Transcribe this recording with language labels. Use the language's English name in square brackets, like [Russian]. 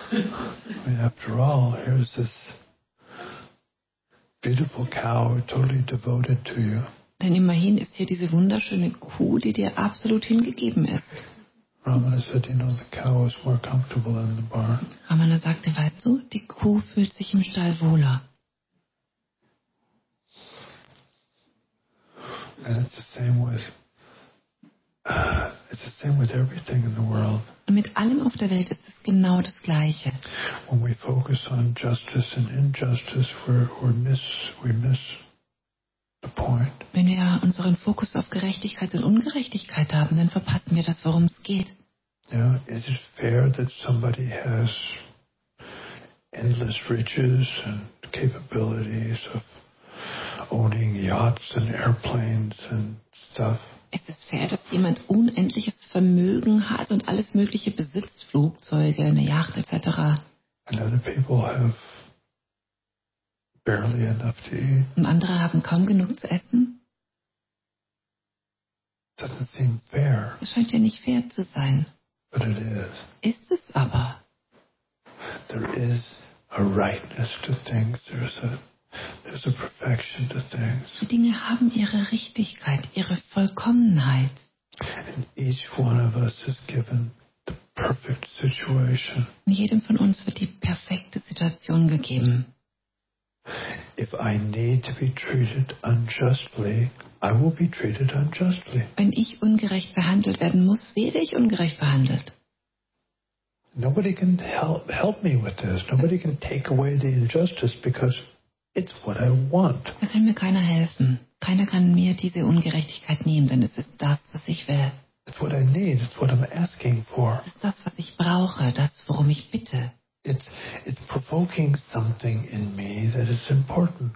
[English] I mean, after all, here's this beautiful cow, totally devoted to you. [German] Denn immerhin ist hier diese wunderschöne Kuh, die dir absolut hingegeben ist. [English] Ramana said, you know, the cow is more comfortable than the barn. [German] Ramana sagte, weißt du, die Kuh fühlt sich im Stall wohler. [English] And it's the same with everything in the world. [German] Und mit allem auf der Welt ist es genau das Gleiche. [English] When we focus on justice and injustice, we miss the point. [German] Wenn wir unseren Fokus auf Gerechtigkeit und Ungerechtigkeit haben, dann verpassen wir das, worum es geht. [English] Yeah, is it fair that somebody has endless riches and capabilities of owning yachts and airplanes and stuff? [German] Ist es fair, dass jemand unendliches Vermögen hat und alles mögliche besitzt, Flugzeuge, eine Yacht etc.? [English] And other people have barely enough to eat. [German] Und andere haben kaum genug zu essen? [English] Doesn't seem fair. [German] Das scheint ja nicht fair zu sein. [English] But it is. [German] Ist es aber. [English] There is a rightness to things. There's a perfection to things. [German] Die Dinge haben ihre Richtigkeit, ihre Vollkommenheit. [English] And each one of us is given the perfect situation. [German] Und jedem von uns wird die perfekte Situation gegeben. [English] If I need to be treated unjustly, I will be treated unjustly. [German] Wenn ich ungerecht behandelt werden muss, werde ich ungerecht behandelt. [English] Nobody can help me with this. Nobody can take away the injustice because it's what I want. [German] Da kann mir keiner helfen. Keiner kann mir diese Ungerechtigkeit nehmen, denn es ist das, was ich will. [English] It's what I need. It's what I'm asking for. [German] Es ist das, was ich brauche, das, worum ich bitte. [English] It's provoking something in me that is important.